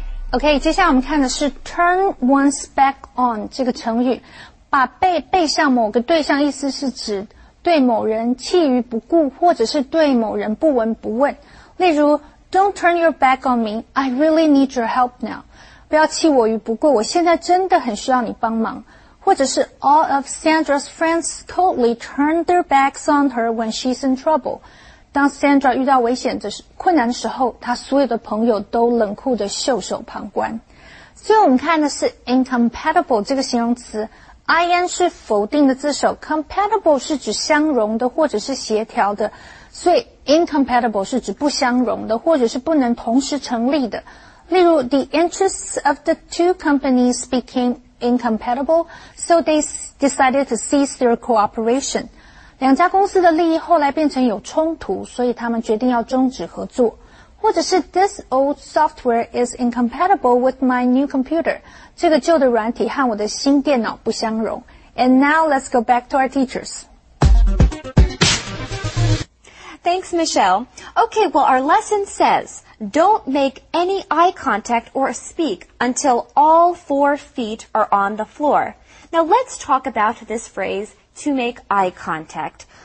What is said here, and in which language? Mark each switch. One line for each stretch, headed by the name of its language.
Chinese: OK, 接下来我们看的是 turn one's back on 这个成语，把背背向某个对象，意思是指对某人弃于不顾，或者是对某人不闻不问。例如
English: ,don't turn your back on me, I really need your help now.
Chinese: 不要弃我于不顾，我现在真的很需要你帮忙。或者是
English: all of Sandra's friends totally turned their backs on her when she's in trouble.
Chinese: 当 Sandra 遇到危险的困难的时候，她所有的朋友都冷酷的袖手旁观。所以我们看的是 incompatible 这个形容词， IN 是否定的字首， compatible 是指相容的或者是协调的，所以 incompatible 是指不相容的或者是不能同时成立的。例如
English: The interests of the two companies became incompatible, so they decided to cease their cooperation.
Chinese: 两家公司的利益后来变成有冲突，所以他们决定要终止合作。或者是
English: This old software is incompatible with my new computer.
Chinese: 这个旧的软体和我的新电脑不相容。
English: And now let's go back to our teachers. Thanks, Michelle. Okay, well, our lesson says, don't make any eye contact or speak until all 4 feet are on the floor. Now let's talk about this phrase,to make eye contact.